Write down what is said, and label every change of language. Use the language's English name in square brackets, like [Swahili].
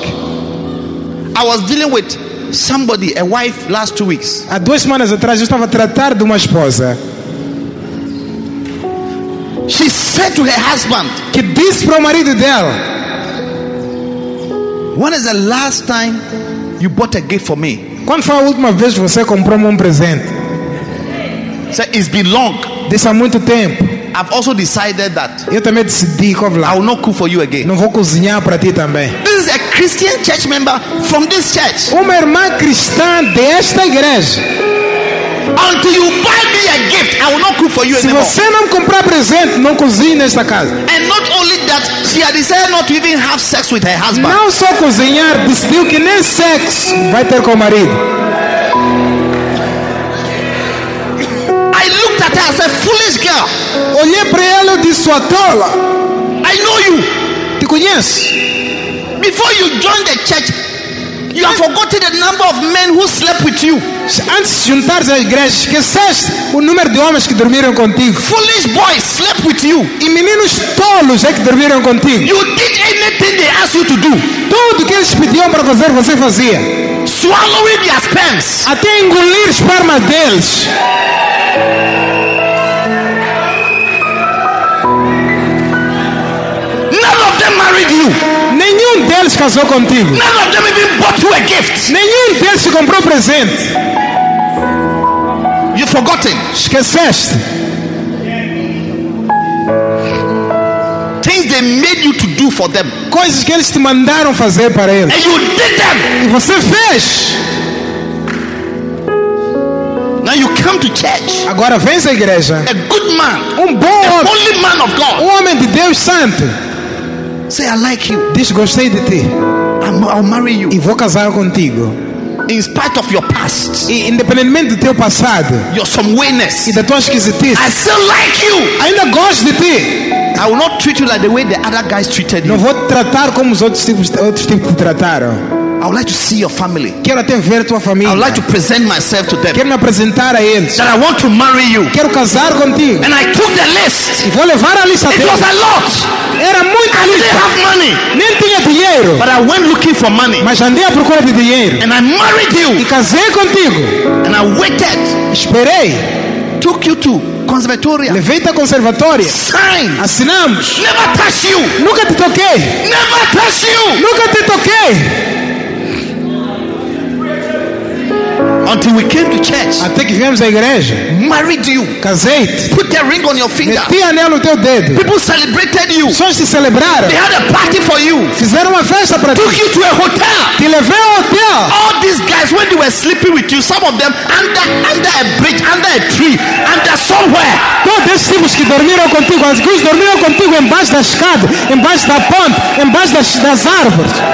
[English] I was dealing with somebody, a wife, last 2 weeks. [Portuguese] Há duas semanas atrás eu estava a tratar de uma esposa. [English] She said to her husband, [Portuguese] que disse para o marido dela, [English] when is the last time you bought a gift for me? [Portuguese] Quando foi a última vez você comprou um presente? [English] So it's been long. [Portuguese] Disse há muito tempo. [English] I've also decided that. [Portuguese] Eu também decidi, [English] I will not cook for you again. [Portuguese] Não vou cozinhar para ti também. [English] This is a Christian church member from this church. [Portuguese] Uma irmã cristã desta igreja. [English] Until you buy me a gift, I will not cook for you anymore. [Portuguese] Se você não comprar presente, não cozinhe nesta casa. [English] And not only that, she had decided not to even have sex with her husband. [Portuguese] Não só cozinhar, decidiu que nem sexo vai ter com o marido. [English] I looked at her as a foolish girl. [Portuguese] Olhei para ela e disse, sua tola. [English] I know you. [Portuguese] Te conheço. [English] Before you joined the church, you have forgotten the number of men who slept with you. [Portuguese] Antes de juntar as igrejas, esqueceste o número de homens que dormiram contigo. [English] Foolish boys slept with you. [Portuguese] E meninos tolos é que dormiram contigo. [English] You did anything they asked you to do. [Portuguese] Tudo que eles pediam para fazer, você fazia. [English] Swallowing their sperms. [Portuguese] Até engolir esperma deles. [English] None of them married you. [Portuguese] Nenhum deles casou contigo. [English] None of them even bought you a gift. [Portuguese] Nenhum deles te comprou presente. [English] You forgotten? [Portuguese] Esqueceste? [English] Things they made you to do for them. [Portuguese] Coisas que eles te mandaram fazer para eles. [English] And you did them. [Portuguese] E você fez. [English] Now you come to church. [Portuguese] Agora vens à igreja. [English] A good man. [Portuguese] Bom homem. [English] Holy man of God. [Portuguese] Homem de Deus santo. [English] Say I like you. [Portuguese] Diz gostei de ti. [English] I'll marry you. [Portuguese] E vou casar contigo. [English] In spite of your past. [Portuguese] E independentemente do teu passado. [English] Your some weirdness. [Portuguese] E da tua esquisitice. [English] I still like you. [Portuguese] Ainda gosto de ti. [English] I will not treat you like the way the other guys treated you. [Portuguese] Não vou tratar como os outros tipos te trataram. [English] I would like to see your family. [Portuguese] Quero até ver tua família. [English] I would like to present myself to them. [Portuguese] Quero me apresentar a eles. [English] That I want to marry you. [Portuguese] Quero casar contigo. [English] And I took the list. [Portuguese] E vou levar a lista. [English] It was a lot. [Portuguese] Era muita [English] I [Portuguese] lista. [English] Didn't have money. [Portuguese] Nem tinha dinheiro. [English] But I went looking for money. [Portuguese] Mas andei à procura de dinheiro. [English] And I married you. [Portuguese] E casei contigo. [English] And I waited. [Portuguese] Esperei. [English] Took you to conservatoria. [Portuguese] Levei-te à conservatória. [English] Signed. [Portuguese] Assinamos. [English] Never touch you. [Portuguese] Nunca te toquei. [English] Never touch you. [Portuguese] Nunca te toquei. [English] Until we came to church. [Portuguese] Até que viemos à igreja. [English] Married you. [Portuguese] Casei-te. [English] Put the ring on your finger. [Portuguese] Meti anel no teu dedo. [English] People celebrated you. [Portuguese] Pessoas te celebraram. [English] They had a party for you. [Portuguese] Fizeram uma festa para ti. [English] Took you to a hotel. [Portuguese] Te levei ao hotel. [English] All these guys, when they were sleeping with you, some of them under a bridge, under a tree, under somewhere. [Portuguese] Todos esses tipos que dormiram contigo, alguns dormiram contigo embaixo da escada, embaixo da ponte, embaixo das árvores.